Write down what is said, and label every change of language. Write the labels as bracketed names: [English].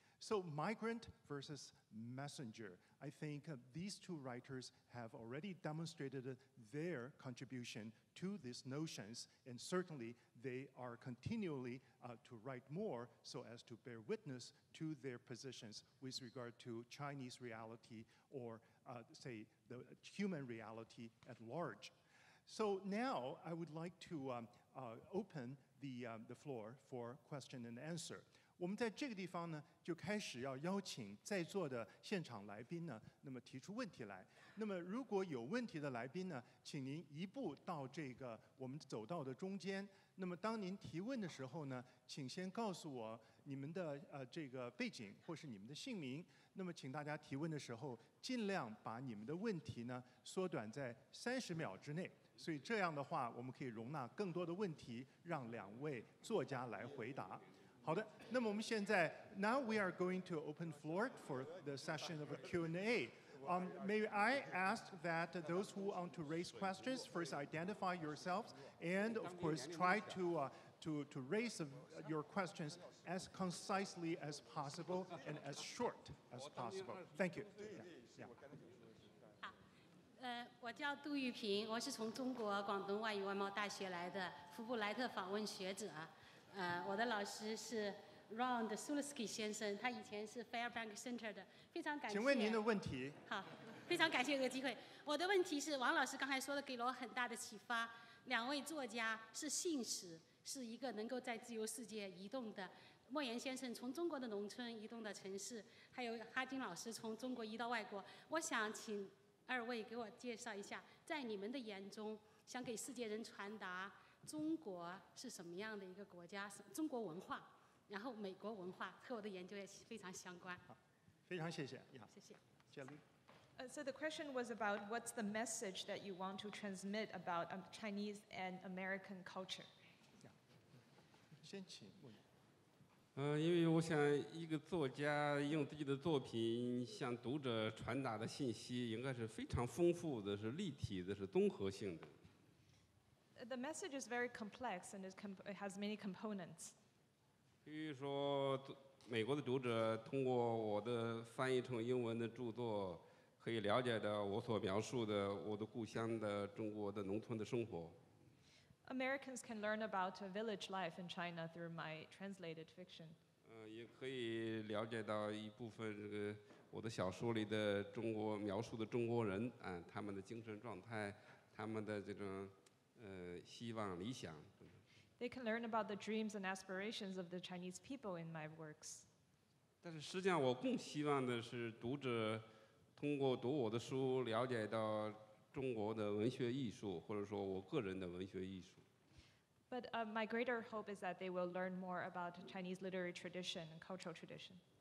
[English] So migrant versus messenger. I think these two writers have already demonstrated their contribution to these notions, and certainly they are continually to write more so as to bear witness to their positions with regard to Chinese reality or say the human reality at large. So now I would like to open the floor for question and answer. [Chinese] 我们在这个地方呢就开始要邀请在座的现场来宾呢那么提出问题来。那么如果有问题的来宾呢，请您移步到这个我们走道的中间。那么当您提问的时候呢，请先告诉我你们的这个背景或是你们的姓名。那么请大家提问的时候尽量把你们的问题呢缩短在30秒之内，所以这样的话我们可以容纳更多的问题让两位作家来回答。好的，那么我们现在 [English] ，now we are going to open floor for the session of a Q&A. May I ask that those who want to raise questions first identify yourselves and, of course, try to raise your questions as concisely as possible and as short as possible. Thank you. Yeah, yeah. [Chinese] 我叫杜玉平，我是从中国广东外语外贸大学来的福布莱特访问学者。我的老师是 Ron Sulisky 先生，他以前是 Fairbank Center 的，非常感谢。请问您的问题。好，非常感谢这个机会。我的问题是，王老师刚才说的给了我很大的启发。两位作家是信使，是一个能够在自由世界移动的。莫言先生从中国的农村移动到城市，还有哈金老师从中国移到外国。我想请二位给我介绍一下，在你们的眼中，想给世界人传达中国是什么样的一个国家，中国文化，然后美国文化和我的研究也非常相关。非常谢谢。谢谢。 Jelly. [English] So the question was about what's the message that you want to transmit about Chinese and American culture? [Chinese] Yeah. 先请问。因为我想一个作家用自己的作品向读者传达的信息应该是非常丰富的，是立体的，是综合性的。 [English] The message is very complex and it has many components. [Chinese] 比如说，美国的读者通过我的翻译成英文的著作，可以了解到我所描述的我的故乡的中国的农村的生活。 [English] Americans can learn about a village life in China through my translated fiction. [Chinese] 也可以了解到一部分这个我的小说里的中国描述的中国人，他们的精神状态，他们的这种。希望理想。 [English] They can learn about the dreams and aspirations of the Chinese people in my works. [Chinese] 但是实际上，我更希望的是读者通过读我的书，了解到中国的文学艺术，或者说我个人的文学艺术。 [English] But my greater hope is that they will learn more about Chinese literary tradition and cultural tradition.